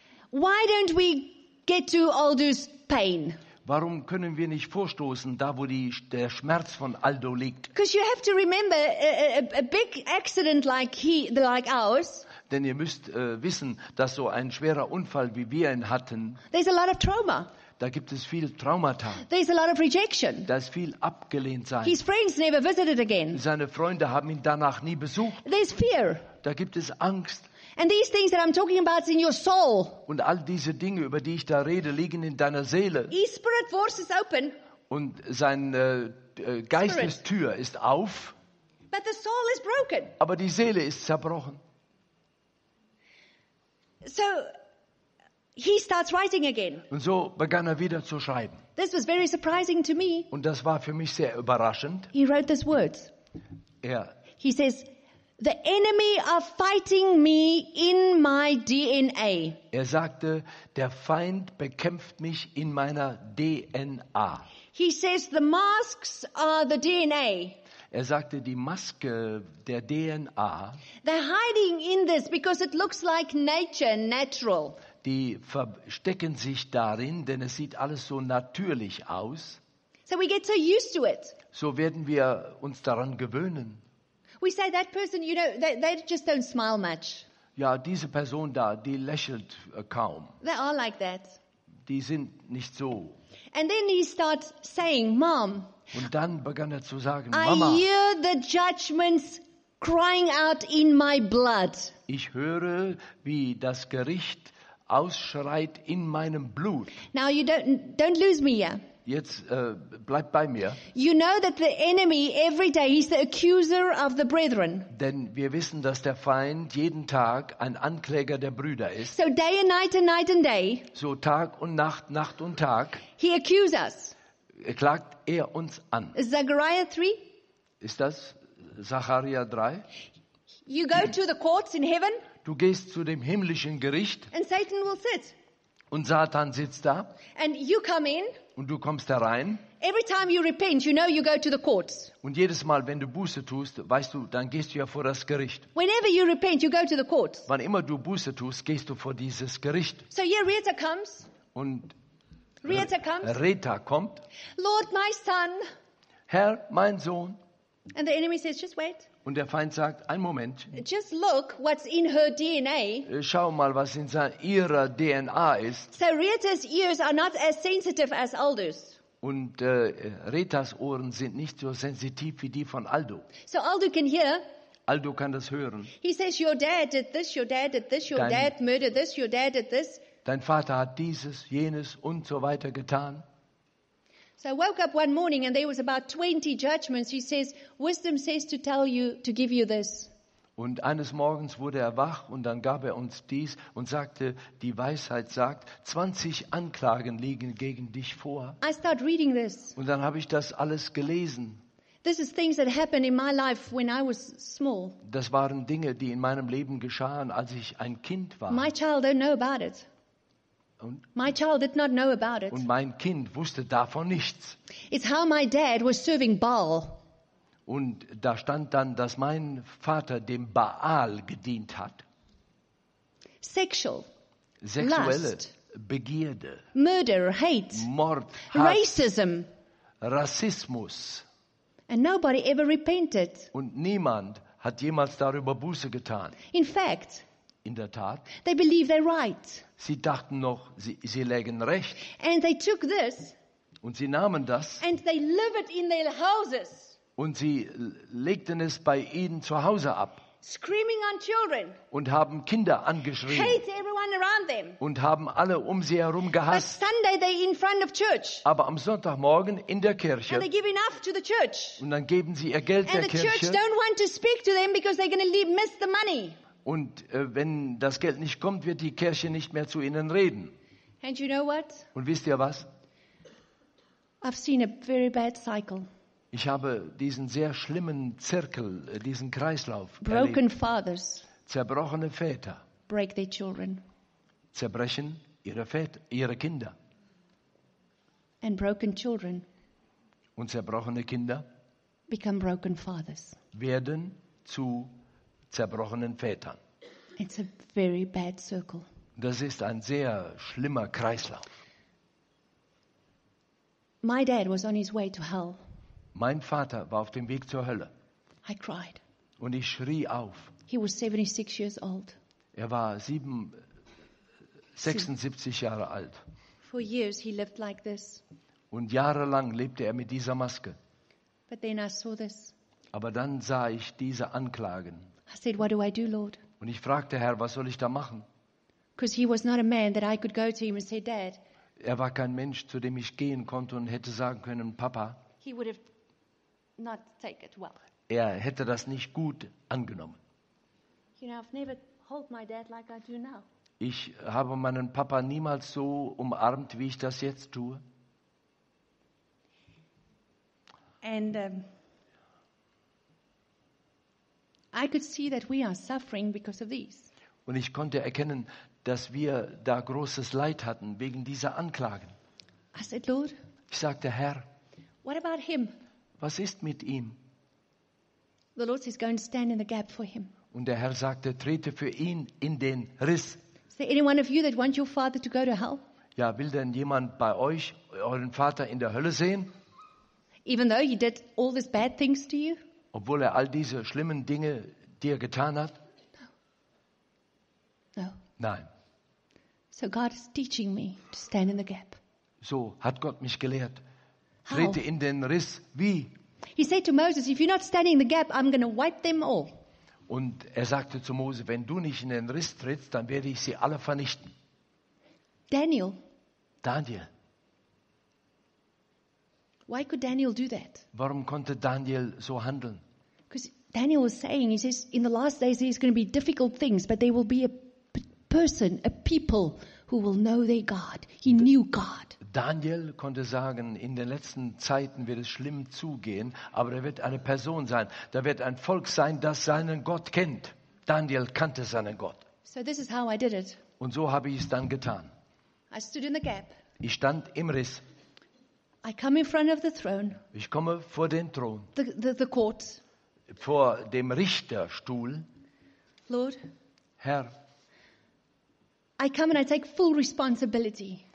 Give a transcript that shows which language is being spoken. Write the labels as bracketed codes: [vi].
[en] why don't we get to Aldo's pain? [de] Warum können wir nicht vorstoßen, da wo der Schmerz von Aldo liegt? [en] Because you have to remember a big accident like ours. [de] Denn ihr müsst wissen, dass so ein schwerer Unfall wie wir ihn hatten. [en] There's a lot of trauma. [de] Da gibt es viel Traumata. [en] There's a lot of rejection. [de] Da ist viel abgelehnt sein. [en] His friends never visited again. [de] Seine Freunde haben ihn danach nie besucht. [en] There's fear. [de] Da gibt es Angst. [en] And these things that I'm talking about is in your soul. [de] Und all diese Dinge, über die ich da rede, liegen in deiner Seele. [en] His spirit force is open. [de] Und seine Geistestür ist auf. [en] But the soul is broken. [de] Aber die Seele ist zerbrochen. [en] So he starts writing again. [de] Und so begann er wieder zu schreiben. [en] This was very surprising to me. [de] Und das war für mich sehr überraschend. [en] He wrote these words. [de] Er. [en] He says, the enemy are fighting me in my DNA. [de] Er sagte, der Feind bekämpft mich in meiner DNA. [en] He says the masks are the DNA. [de] Er sagte, die Maske der DNA. [en] They're hiding in this because it looks like nature, natural. [de] Die verstecken sich darin, denn es sieht alles so natürlich aus. [en] So we get so used to it. [de] So werden wir uns daran gewöhnen. [en] We say that person, you know, they just don't smile much. [de] Ja, diese Person da, die lächelt kaum. [en] They are like that. [de] Die sind nicht so. [en] And then he starts saying, "Mom." [de] Und dann begann er zu sagen, [en] "Mama." I hear the judgments crying out in my blood. [de] Ich höre, wie das Gericht ausschreit in meinem Blut. [en] Now you don't lose me here. [de] Jetzt bleib bei mir. [en] You know that the enemy every day he's the accuser of the brethren. [de] Denn wir wissen, dass der Feind jeden Tag ein Ankläger der Brüder ist. [en] So day and night and night and day. [de] So Tag und Nacht, Nacht und Tag. [en] He accuses us. [de] Klagt er uns an. [en] Zechariah 3? [de] Ist das Zacharia 3? [en] You go to the courts in heaven. [de] Du gehst zu dem himmlischen Gericht. [en] And Satan will sit. [de] Und Satan sitzt da. [en] And you come in. [de] Und du kommst herein. [en] Every time you repent, you know you go to the courts. [de] Und jedes Mal, wenn du Buße tust, weißt du, dann gehst du ja vor das Gericht. [en] Whenever you repent, you go to the courts. [de] Wann immer du Buße tust, gehst du vor dieses Gericht. [en] So here Rita comes. [de] Und [en] Rita comes. [de] Rita kommt. [en] Lord, my son. [de] Herr, mein Sohn. [en] And the enemy says, just wait. [de] Und der Feind sagt, ein Moment. [en] Just look what's in her DNA. [de] Schau mal, was in ihrer DNA ist. [en] So Rita's ears are not as sensitive as Aldo's. [de] Und Ritas Ohren sind nicht so sensitiv wie die von Aldo. [en] So Aldo can hear. [de] Aldo kann das hören. [en] He says, your dad did this, your dad did this, your dad murdered this, your dad did this. [de] Dein Vater hat dieses, jenes und so weiter getan. [en] So I woke up one morning and there was about 20 judgments. He says, wisdom says to tell you, to give you this. [de] Und eines Morgens wurde er wach und dann gab er uns dies und sagte, die Weisheit sagt, 20 Anklagen liegen gegen dich vor. [en] I start reading this. [de] Und dann habe ich das alles gelesen. [en] This is things that happened in my life when I was small. [de] Das waren Dinge, die in meinem Leben geschahen, als ich ein Kind war. [en] My child don't know about it. My child did not know about it. [de] Und mein Kind wusste davon nichts. [en] It's how my dad was serving Baal. [de] Und da stand dann, dass mein Vater dem Baal gedient hat. [en] Sexual. [de] Sexuelle [en] Lust, [de] Begierde. [en] Murder, hate. [de] Mord, Hass, [en] Racism. [de] Rassismus. [en] And nobody ever repented. [de] Und niemand hat jemals darüber Buße getan. [en] In fact. [de] In der Tat. [en] They believe they're right. [de] Sie dachten noch, sie lägen recht. [en] And they took this, [de] Und sie nahmen das. [en] And they lived in their houses. [de] Und sie legten es bei ihnen zu Hause ab. [en] Screaming on children. [de] Und haben Kinder angeschrien. [en] Hate everyone around them. [de] Und haben alle um sie herum gehasst. [en] But Sunday they in front of church. [de] Aber am Sonntagmorgen in der Kirche. [en] And they give enough to the church. [de] Und dann geben sie ihr Geld [en] and [de] der [en] the [de] Kirche. [en] Church don't want to speak to them because they're going to miss the money. [de] Und wenn das Geld nicht kommt, wird die Kirche nicht mehr zu ihnen reden. [en] And you know what? [de] Und wisst ihr was? [en] I've seen a very bad cycle. [de] Ich habe diesen sehr schlimmen Zirkel, diesen Kreislauf [en] broken [de] erlebt. [en] Fathers [de] zerbrochene Väter [en] break their children. [de] Zerbrechen ihre Väter, ihre Kinder. [en] And broken children [de] und zerbrochene Kinder [en] become broken fathers. [de] Werden zu zerbrochenen Vätern. [en] It's a very bad circle. [de] Das ist ein sehr schlimmer Kreislauf. [en] My dad was on his way to hell. [de] Mein Vater war auf dem Weg zur Hölle. [en] I cried. [de] Und ich schrie auf. [en] He was 76 years old. [de] Er war 76 Jahre alt. [en] For years he lived like this. [de] Und jahrelang lebte er mit dieser Maske. [en] But then I saw this. [de] Aber dann sah ich diese Anklagen. [en] I said, what do I do, Lord? [de] Und ich fragte, Herr, was soll ich da machen? [en] Because he was not a man that I could go to him and say, Dad. [de] Er war kein Mensch, zu dem ich gehen konnte und hätte sagen können, Papa. [en] He would have not take it well. [de] Er hätte das nicht gut angenommen. [en] You know, I've never held my dad like I do now. [de] Ich habe meinen Papa niemals so umarmt, wie ich das jetzt tue. [en] And I could see that we are suffering because of these. [de] Und ich konnte erkennen, dass wir da großes Leid hatten wegen dieser Anklagen. [en] I said, Lord. [de] Ich sagte, Herr. [en] What about him? [de] Was ist mit ihm? [en] The Lord says, go and stand in the gap for him. [de] Und der Herr sagte, trete für ihn in den Riss. [en] Is there anyone of you that wants your father to go to hell? [de] Ja, will denn jemand bei euch euren Vater in der Hölle sehen? [en] Even though he did all these bad things to you? [de] Obwohl er all diese schlimmen Dinge dir getan hat? [en] No. [de] Nein. [en] So God is teaching me to stand in the gap. [de] So hat Gott mich gelehrt. Trete in den Riss. Wie? [en] He said to Moses, if you're not standing in the gap, I'm going to wipe them all. [de] Und er sagte zu Mose, wenn du nicht in den Riss trittst, dann werde ich sie alle vernichten. [en] Daniel. Why could Daniel do that? [de] Warum konnte Daniel so handeln? [en] Because Daniel was saying, he says, in the last days there's going to be difficult things, but there will be a person, a people who will know their God. He knew God. [de] Daniel konnte sagen, in den letzten Zeiten wird es schlimm zugehen, aber da wird eine Person sein, da wird ein Volk sein, das seinen Gott kennt. Daniel kannte seinen Gott. [en] So this is how I did it. [de] Und so habe ich es dann getan. [en] I stood in the gap. [de] Ich stand im Riss. [en] I come in front of the throne. [de] Ich komme vor den Thron. [en] The court. [de] Vor dem Richterstuhl. [en] Lord. [de] Herr. [en] I come and I take full responsibility.